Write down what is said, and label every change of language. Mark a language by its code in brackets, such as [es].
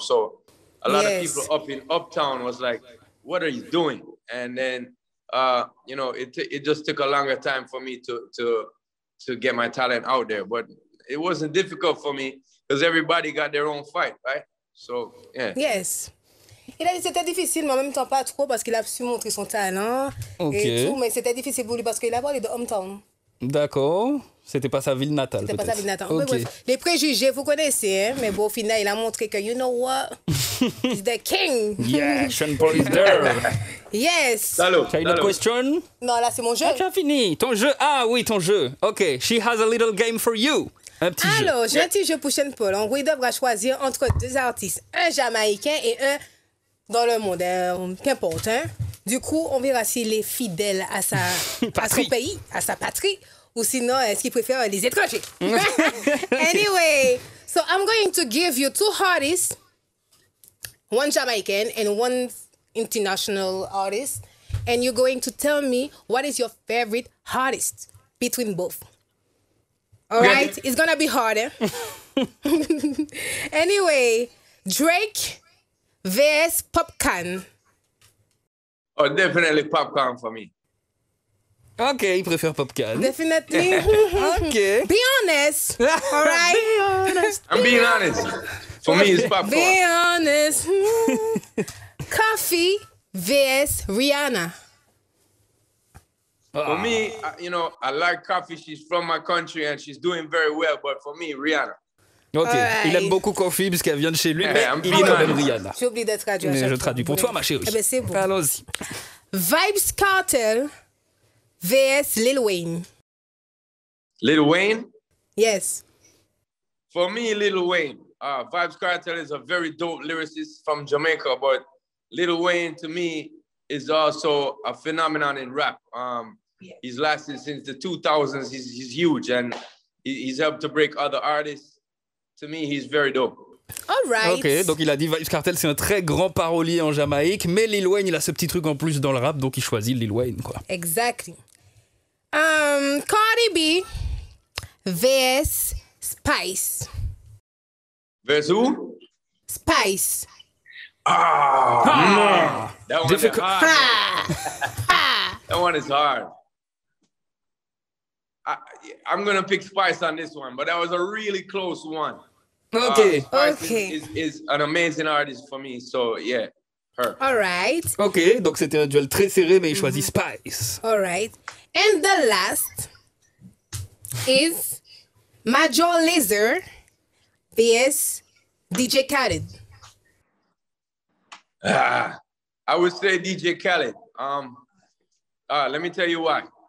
[en] So a lot of people up in Uptown was like, what are you doing? And then, you know, it just took a longer time for me to get my talent out there. But it wasn't difficult for me because everybody got their own fight, right? So, yeah. Yes. [fr] Il a dit que c'était difficile, mais en même temps pas trop parce qu'il a su montrer son talent et tout. Mais c'était difficile pour lui parce qu'il a parlé de hometown. D'accord. C'était pas sa ville natale. C'était peut-être. Pas sa ville natale. Okay. Bref, les préjugés, vous connaissez. Hein? Mais bon, au final, il a montré que, [en] you know what? He's the king. Yeah, Sean Paul is there. Yes. [fr] Allô. Tu as une autre question? Non, là, c'est mon jeu. Ah, tu as fini. Ton jeu. Ah oui, ton jeu. OK. [en] She has a little game for you. [fr] Un petit Alors, jeu. Alors, j'ai un petit jeu pour Sean Paul. En gros, il devra choisir entre deux artistes, un Jamaïcain et un. Dans le monde, qu'importe. Hein? Du coup, on verra s'il est fidèle à sa à son pays, à sa patrie, ou sinon, est-ce qu'il préfère les étrangers? [en] Anyway, so I'm going to give you two artists, one Jamaican and one international artist, and you're going to tell me what is your favorite artist between both. All right, it's gonna be harder. Anyway, Drake vs Popcorn. Oh, definitely Popcorn for me. [fr] Okay, il préfère Popcorn. [en] Definitely. Okay. Be honest. All right. Be honest. I'm being honest. For me, it's Popcorn. Be honest. Coffee vs Rihanna. For me, you know, I like Coffee. She's from my country and she's doing very well. But for me, Rihanna. Ok, right. [fr] Il aime beaucoup Coffee parce qu'elle vient de chez lui, mais il est quand même Rihanna. J'ai oublié de traduire. Mais je traduis pour toi, ma chérie. Eh ben c'est bon. Allons-y. Vybz Kartel vs Lil Wayne. Lil Wayne? [en] Yes. For me, Lil Wayne. Vybz Kartel is a very dope lyricist from Jamaica, but Lil Wayne, to me, is also a phenomenon in rap. He's lasted since the 2000s. He's huge, and he's helped to break other artists. To me, he's very dope. All right. [fr] Ok, donc il a dit Vybz Kartel, c'est un très grand parolier en Jamaïque, mais Lil Wayne, il a ce petit truc en plus dans le rap, donc il choisit Lil Wayne, quoi. [en] Exactly. Cardi B vs Spice. Vs who? Spice. Ah, ah no. That one difficult. Is hard. That one is hard. I'm going to pick Spice on this one, but that was a really close one. Okay. Is an amazing artist for me, so yeah, her. All right. [fr] Okay, donc c'était un duel très serré, mais il choisit Spice. [en] All right. And the last is Major Lazer vs DJ Khaled. I would say DJ Khaled. Let me tell you why.